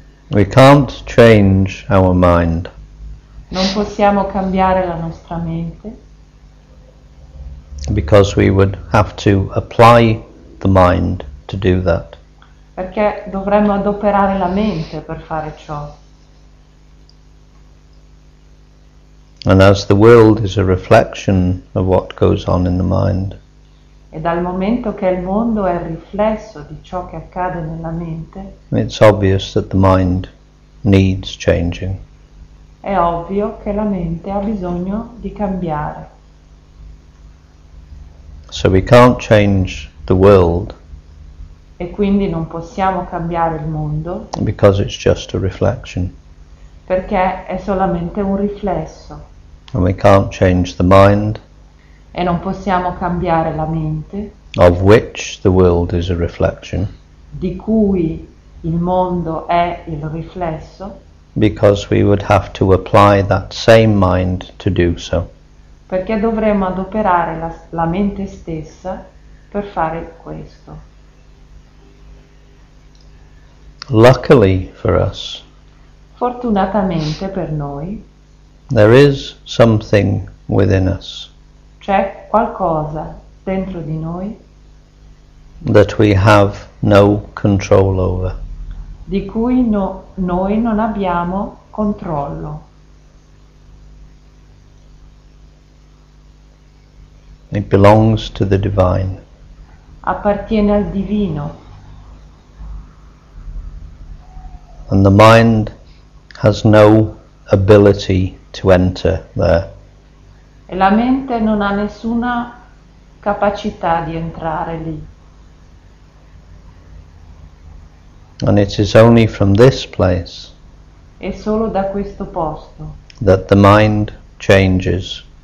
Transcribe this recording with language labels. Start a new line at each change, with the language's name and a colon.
English: We can't change our mind.
Italian: Non possiamo cambiare la nostra mente
English: Because we would have to apply the mind to do that.
Italian: perché dovremmo adoperare la mente per fare ciò.
English: And as the world is a reflection of what goes on in the mind,
Italian: E dal momento che il mondo è il riflesso di ciò che accade nella mente,
English: it's obvious that the mind needs changing.
Italian: è ovvio che la mente ha bisogno di cambiare.
English: So we can't change the world
Italian: E quindi non possiamo cambiare il mondo
English: because it's just a reflection.
Italian: perché è solamente un riflesso.
English: And we can't change the mind
Italian: E non possiamo cambiare la mente
English: of which the world is a reflection.
Italian: di cui il mondo è il riflesso.
English: Because we would have to apply that same mind to do so.
Italian: Perché dovremmo adoperare la mente stessa per fare questo.
English: Luckily for us,
Italian: Fortunatamente per noi c'è
English: there is something within us
Italian: qualcosa dentro di noi
English: that we have no control over.
Italian: di cui no, noi non abbiamo controllo.
English: It belongs to the divine.
Italian: Appartiene al divino.
English: And the mind has no ability to enter there.
Italian: E la mente non ha nessuna capacità di entrare lì.
English: And it is only from this place
Italian: È solo da questo posto.
English: that the mind changes.